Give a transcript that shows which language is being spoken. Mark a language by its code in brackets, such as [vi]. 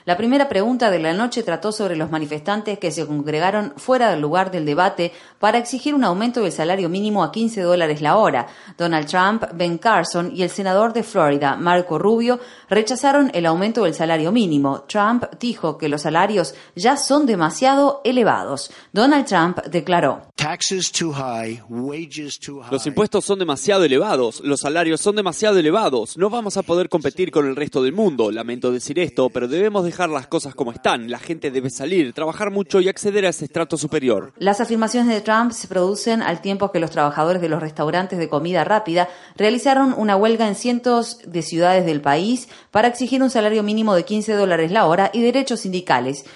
[es] La primera pregunta de la noche trató sobre los manifestantes que se congregaron fuera del lugar del debate para exigir un aumento del salario mínimo a $15 la hora. Donald Trump, Ben Carson y el senador de Florida, Marco Rubio, rechazaron el aumento del salario mínimo. Trump dijo que los salarios ya son demasiado elevados. Donald Trump declaró. [en] Taxes too high, wages too high. [es] Los impuestos son demasiado elevados, los salarios son demasiado elevados. No vamos a poder competir con el resto del mundo. Lamento decir esto, pero debemos dejar las cosas como están. La gente debe salir, trabajar mucho y acceder a ese estrato superior. Las afirmaciones de Trump se producen al tiempo que los trabajadores de los restaurantes de comida rápida realizaron una huelga en cientos de ciudades del país para exigir un salario mínimo de $15 la hora y derechos sindicales.